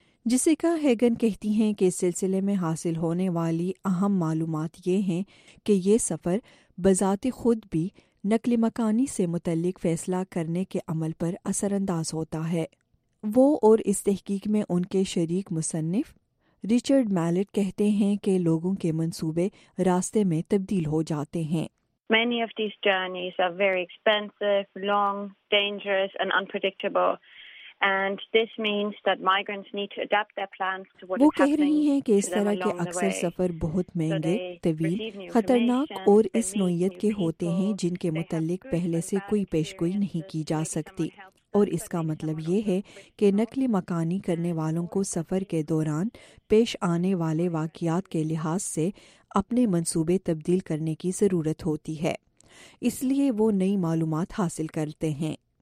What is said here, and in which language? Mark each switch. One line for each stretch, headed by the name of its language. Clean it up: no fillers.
Urdu: جیسیکا ہیگن کہتی ہیں کہ اس سلسلے میں حاصل ہونے والی اہم معلومات یہ ہیں کہ یہ سفر بذات خود بھی نقل مکانی سے متعلق فیصلہ کرنے کے عمل پر اثر انداز ہوتا ہے. وہ اور اس تحقیق میں ان کے شریک مصنف ریچرڈ میلٹ کہتے ہیں کہ لوگوں کے منصوبے راستے میں تبدیل ہو جاتے ہیں.
English: Many of these journeys are very expensive, long, dangerous and unpredictable. And this means that migrants need to adapt their plans to what is happening.
Urdu: اس طرح کے اکثر سفر بہت مہنگے، طویل، خطرناک اور اس نوعیت کے ہوتے ہیں جن کے متعلق پہلے سے کوئی پیش گوئی نہیں کی جا سکتی، اور اس کا مطلب یہ ہے کہ نقل مکانی کرنے والوں کو سفر کے دوران پیش آنے والے واقعات کے لحاظ سے اپنے منصوبے تبدیل کرنے کی ضرورت ہوتی ہے، اس لیے وہ نئی معلومات حاصل کرتے ہیں.